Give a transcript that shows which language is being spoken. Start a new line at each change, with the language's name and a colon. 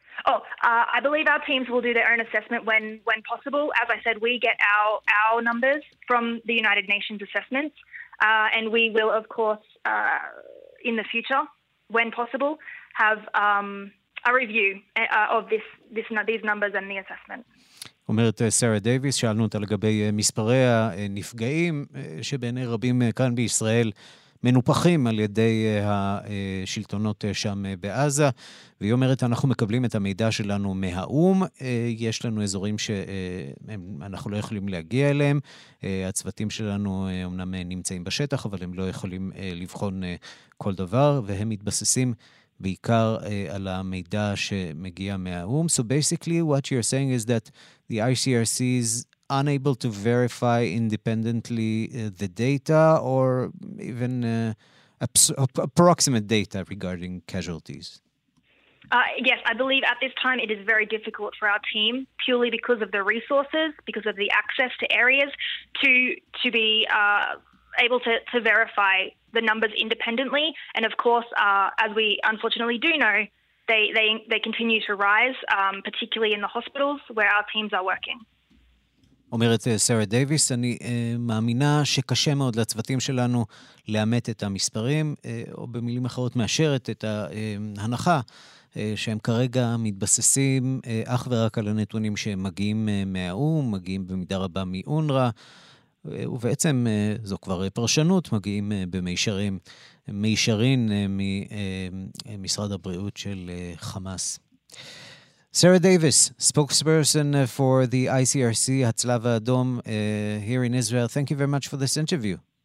English: Oh, I believe our teams will do their own assessment when possible. As I said, we get our numbers from the United Nations assessments, and we will, of course, in the future, when possible, have a review of these numbers and the assessment.
Hebrew: אומרת סרה דייביס, שאלנו אותה לגבי מספרי הנפגעים, שבעיני רבים כאן בישראל מנופחים על ידי השלטונות שם בעזה, והיא אומרת, אנחנו מקבלים את המידע שלנו מהאום, יש לנו אזורים שאנחנו לא יכולים להגיע אליהם, הצוותים שלנו אמנם נמצאים בשטח, אבל הם לא יכולים לבחון כל דבר, והם מתבססים בעיקר על המידע שמגיע מהאום.
English: So basically what you're saying is that the ICRC is unable to verify independently the data or even approximate data regarding casualties? Yes, I believe at this time it is very difficult for our team, purely because of the resources, because of the access to areas, to be able to verify the numbers independently. And of course, as we unfortunately do know, they continue to rise, particularly in the hospitals where our teams are working.
Hebrew: אומרת סרה דייביס, אני מאמינה שקשה מאוד לצוותים שלנו לאמת את המספרים, או במילים אחרות מאשרת את ההנחה שהם כרגע מתבססים אך ורק על הנתונים שמגיעים מהאום, מגיעים במידה רבה מאונרה, ובעצם זו כבר פרשנות, מגיעים במישרים, מישרין ממשרד הבריאות של חמאס.
English: סרה דייביס, spokesperson for the ICRC, הצלב האדום, here in Israel. Thank you very much for this interview.